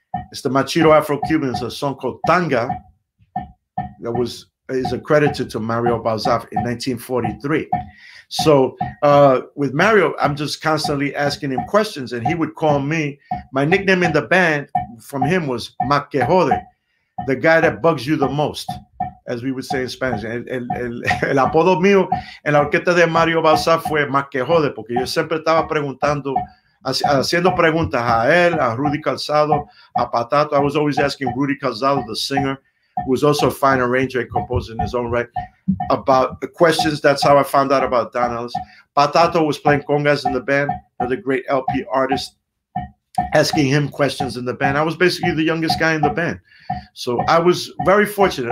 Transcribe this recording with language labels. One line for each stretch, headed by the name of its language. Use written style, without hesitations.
English: It's the Machito Afro-Cuban. It's a song called Tanga that is accredited to Mario Bausa in 1943. So with Mario, I'm just constantly asking him questions, and he would call me. My nickname in the band from him was Mac Que Jode, the guy that bugs you the most, as we would say in Spanish.
Spanish: El apodo mío en la orquesta de Mario Bausa fue Mac Que Jode, porque yo siempre estaba preguntando, haciendo preguntas a él, a Rudy Calzado, a Patato.
English: I was always asking Rudy Calzado, the singer, who was also a fine arranger and composer in his own right, about the questions. That's how I found out about Don Ellis. Patato was playing congas in the band, another great LP artist, asking him questions in the band. I was basically the youngest guy in the band. So I was very fortunate.